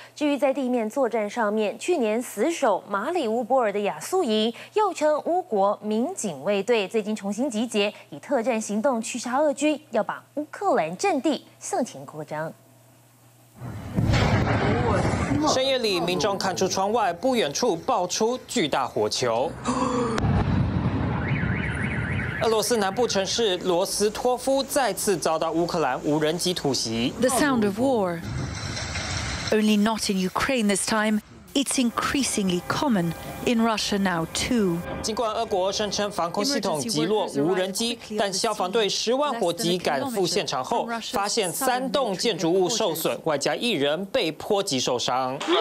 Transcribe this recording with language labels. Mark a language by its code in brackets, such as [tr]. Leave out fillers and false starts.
[zh] 至于在地面作战上面，去年死守马里乌波尔的亚速营，又称乌国民警卫队，最近重新集结，以特战行动驱杀俄军，要把乌克兰阵地向前扩张。深夜里，民众看出窗外不远处爆出巨大火球。俄罗斯南部城市罗斯托夫再次遭到乌克兰无人机突袭。 [en] The sound of war, only not in Ukraine this time. It's increasingly common in Russia now too. [zh] 尽管俄国声称防空系统击落无人机，但消防队10万火急赶赴现场后，发现3栋建筑物受损，外加1人被波及受伤。